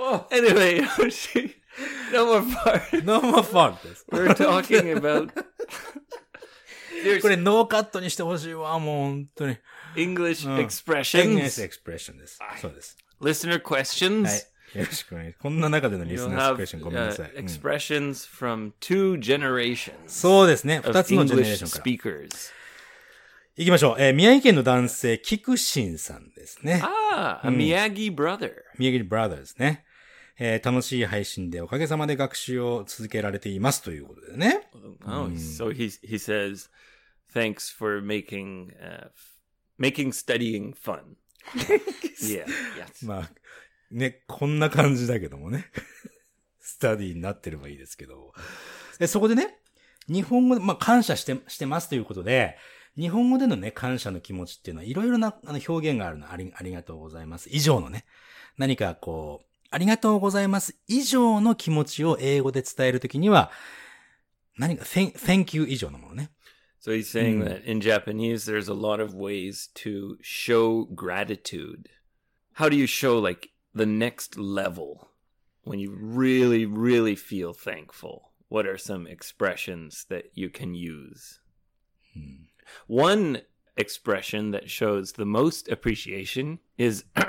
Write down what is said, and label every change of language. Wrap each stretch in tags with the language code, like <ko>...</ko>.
<en>Anyway, Yoshi, no more fart. No more fart. We're talking about...</en> <ja>これノーカットにしてほしいわ、もう本当に。</ja> <en>English expressions. English expressions です。</en> <ja>そうです。</ja> <en>Listener questions.</en> <ja>はい。よろしくお願いします。こんな中でのリスナースクエッション、ごめんなさい。</ja> <en>Expressions from two generations.</en> <ja>そうですね。二つのジェネレーションから。</ja> <en>Speakers.</en> <ja>行きましょう。宮城県の男性、菊新さんですね。ああ、宮城 brother。宮城 brother ですね。楽しい配信でおかげさまで学習を続けられていますということでね。</ja> <en>Oh, so he says, thanks for making studying fun. Yeah, yes.</en> <ja>まあ、ね、こんな感じだけどもね。スタディになってればいいですけど。そこでね、日本語で、まあ、感謝してますということで、日本語でのね、感謝の気持ちっていうのは、いろいろなあの表現があるの。ありがとうございます。以上のね、何かこう、ありがとうございます以上の気持ちを英語で伝えるときには、何か、thank you 以上のものね。</ja> <en>So he's saying that in Japanese, there's a lot of ways to show gratitude. How do you show, like, the next level when you really, really feel thankful? What are some expressions that you can use? One expression that shows the most appreciation is...</en>